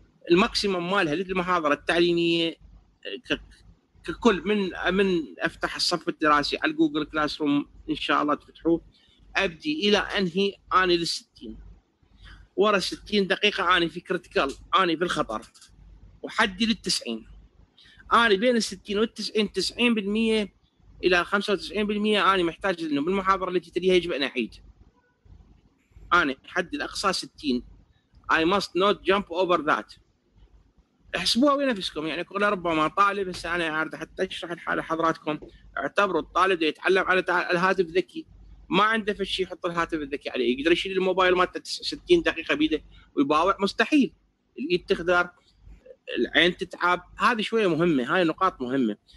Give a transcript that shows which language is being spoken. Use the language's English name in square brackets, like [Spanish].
[Arabic] الماكسيمم مالها للمحاضرة التعليمية ككل من أفتح الصف الدراسي على جوجل كلاس روم إن شاء الله تفتحوه، أبدي إلى أنهي أنا للستين، ورا 60 دقيقة أنا في كريتيكال، أنا في الخطر، وحدي للتسعين. أنا بين 60 و90 90% الى 95% انا محتاج انه بالمحاضره التي تليها يجب ان اعيد. انا حد الاقصى 60، [English] I must not jump over that. [Arabic] احسبوها بنفسكم، يعني كل ربما طالب، هسه انا عارض حتى اشرح الحاله حضراتكم، اعتبروا الطالب اللي يتعلم على الهاتف الذكي ما عنده في شيء يحط الهاتف الذكي عليه، يقدر يشيل الموبايل مالته 60 دقيقه بيده ويباوع؟ مستحيل. الايد تخدر، العين تتعب، هذه شويه مهمه، هاي نقاط مهمه.